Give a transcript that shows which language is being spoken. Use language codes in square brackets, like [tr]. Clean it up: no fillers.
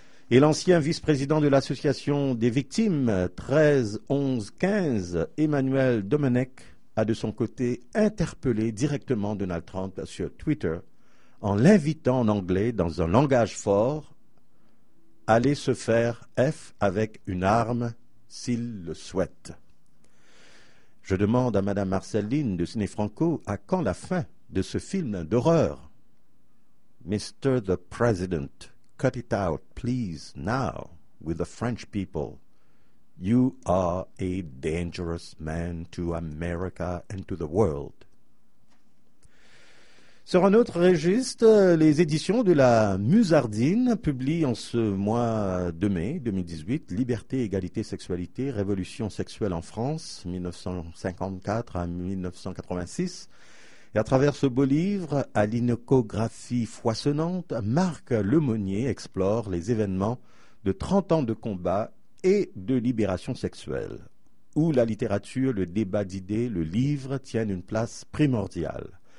[fr] Et l'ancien vice-président de l'association des victimes 13-11-15, Emmanuel Domenech, a de son côté interpellé directement Donald Trump sur Twitter en l'invitant en anglais dans un langage fort à aller se faire F avec une arme s'il le souhaite. Je demande à Madame Marceline de Cinéfranco à quand la fin de ce film d'horreur. [en] Mr. the President, cut it out, please, now, with the French people. You are a dangerous man to America and to the world. [fr] Sur un autre registre, les éditions de la Musardine publient en ce mois de mai 2018 « Liberté, égalité, sexualité, révolution sexuelle en France, 1954 à 1986 ». Et à travers ce beau livre, à l'iconographie foisonnante, Marc Lemonnier explore les événements de 30 ans de combat et de libération sexuelle, où la littérature, le débat d'idées, le livre tiennent une place primordiale.